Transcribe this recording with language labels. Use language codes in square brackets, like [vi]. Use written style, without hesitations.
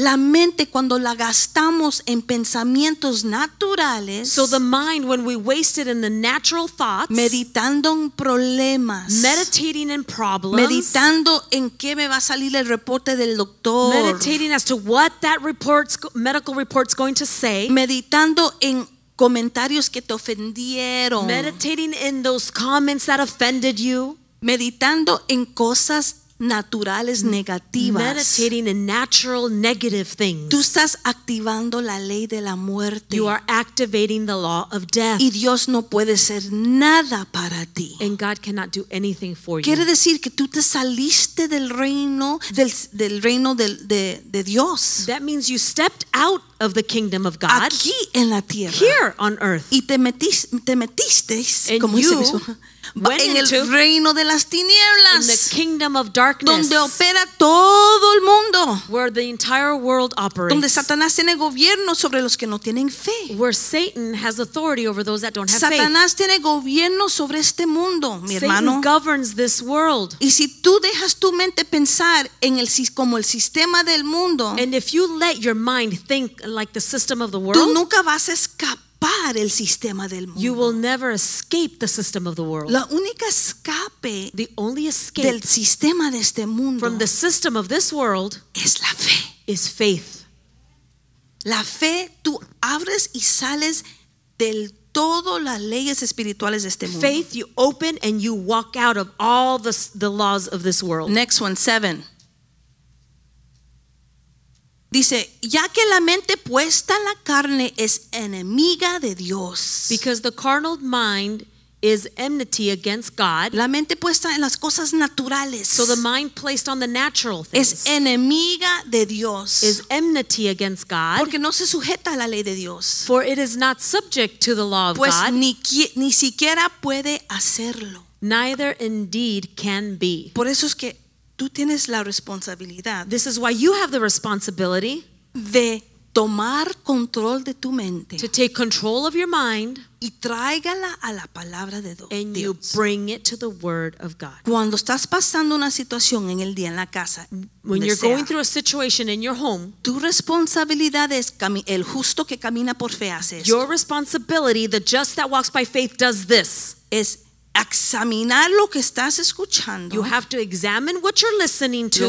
[es] La mente cuando la gastamos en pensamientos naturales. [en] So the mind when we waste it in the natural thoughts. [es] Meditando en problemas. [en] Meditating in problems. [es] Meditando en qué me va a salir el reporte del doctor. [en] Meditating as to what that report's medical report's going to say. [es] Meditando en comentarios que te ofendieron. [en] Meditating in those comments that offended you. [es] Meditando en cosas naturales negativas. [en] Meditating in natural negative things. [es] Tú estás activando la ley de la muerte. [en] You are activating the law of death. [es] Y Dios no puede ser nada para ti. [en] And God cannot do anything for you. [es] Quiere decir que tú te saliste del reino del reino de Dios. [en] That means you stepped out of the kingdom of God. [es] Aquí en la tierra. [en] Here on earth. [es] Y te metiste como [en] you, [es] dice en el reino de las tinieblas, [en] in the kingdom of darkness, [es] donde opera todo el mundo, [en] where the entire world operates, [es] donde Satanás tiene gobierno sobre los que no tienen fe, [en] where Satan has authority over those that don't have [es] Satanás [en] faith. [es] Satanás tiene gobierno sobre este mundo, mi [en] Satan [es] hermano. [en] Satan governs this world. [es] Y si tú dejas tu mente pensar en el como el sistema del mundo, [en] and if you let your mind think like the system of the world, [es] tú nunca vas a escapar. El sistema del mundo. [en] You will never escape the system of the world. [es] La única escape, [en] the only escape [es] del sistema de este mundo, [en] from the system of this world, [es] es la fe. [en] Is faith. [es] La fe, tú abres y sales del todo las leyes espirituales de este mundo. [en] Faith, you open and you walk out of all the laws of this world. Next one, 7. [es] Dice, ya que la mente puesta en la carne es enemiga de Dios. [en] Because the carnal mind is enmity against God. [es] La mente puesta en las cosas naturales. [en] So the mind placed on the natural things. [es] Es enemiga de Dios. [en] Is enmity against God. [es] Porque no se sujeta a la ley de Dios. [en] For it is not subject to the law of [es] pues [en] God. [es] Ni siquiera puede hacerlo. [en] Neither indeed can be. [es] Por eso es que tú tienes la responsabilidad. [en] This is why you have the responsibility [es] de tomar control de tu mente. [en] To take control of your mind [es] y tráigala a la palabra de Dios. [en] And you bring it to the word of God. [es] Cuando estás pasando una situación en el día en la casa, [en] when you're going through a situation in your home, [es] tu responsabilidad es el justo que camina por fe hace esto. [en] Your responsibility, the just that walks by faith does this. [es] Es examinar lo que estás escuchando. [en] You have to examine what you're listening to.